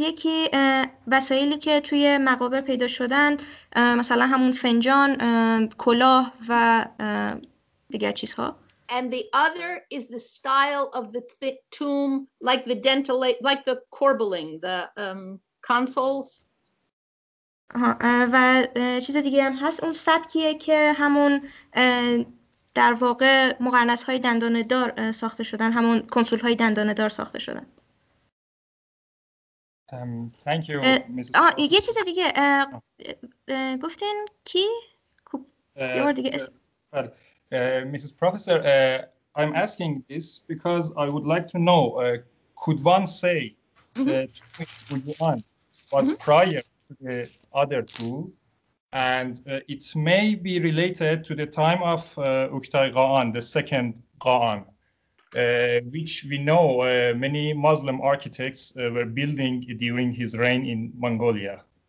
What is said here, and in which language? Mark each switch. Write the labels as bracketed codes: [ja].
[fa] یکی وسایلی که توی مقابر پیدا شدن، مثلا همون فنجان، کلاه و دیگر چیزها. [en] And the other is the style of the tomb, like the dentilate, like the corbelling, the consoles. [fa] و چیز دیگه هم هست، اون سبکیه که همون در واقع مقرنس های دندانه دار ساخته شدن، همون کنسول های دندانه دار ساخته شدن. [en] Thank you, Mrs. [fa] یه چیز دیگه گفتین کی؟ یه بار دیگه اسم. [en] Mrs. Professor, I'm asking this because I would like to know, could one say that 2021 was prior to the other two, and it may be related to the time of Uktay Qa'an, the second Qa'an, which we know many Muslim architects were building during his reign in Mongolia.